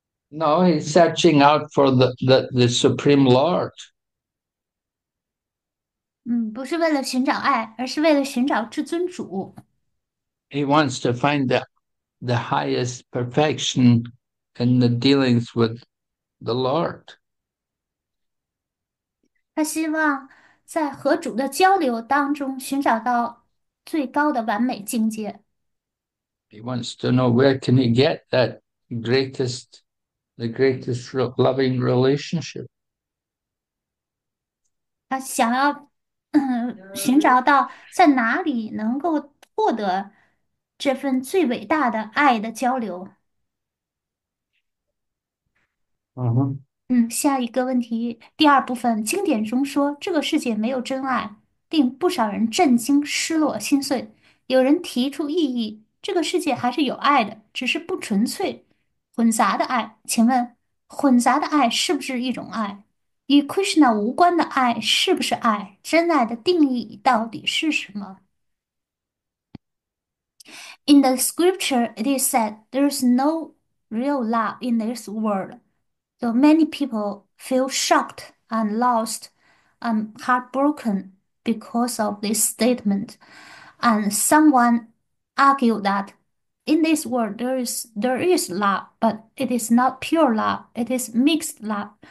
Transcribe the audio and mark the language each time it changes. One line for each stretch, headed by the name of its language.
English: No, he's searching out for the Supreme Lord.
Chinese: 不是为了寻找爱，而是为了寻找至尊主。
English: He wants to find the highest perfection in the dealings with the Lord.
Chinese: 他希望在和主的交流当中寻找到最高的完美境界。
English: He wants to know where can he get that greatest. The greatest loving relationship.
Chinese: 他想要寻找到在哪里能够获得这份最伟大的爱的交流。下一个问题，第二部分，经典中说这个世界没有真爱，令不少人震惊、失落、心碎。有人提出异议，这个世界还是有爱的，只是不纯粹，混杂的爱。请问，混杂的爱是不是一种爱？与 Krishna 无关的爱是不是爱？真爱的定义到底是什么？
English: In the scripture, it is said there is no real love in this world. Though many people feel shocked and lost and heartbroken because of this statement, and someone argued that in this world there is love, but it is not pure love, it is mixed love.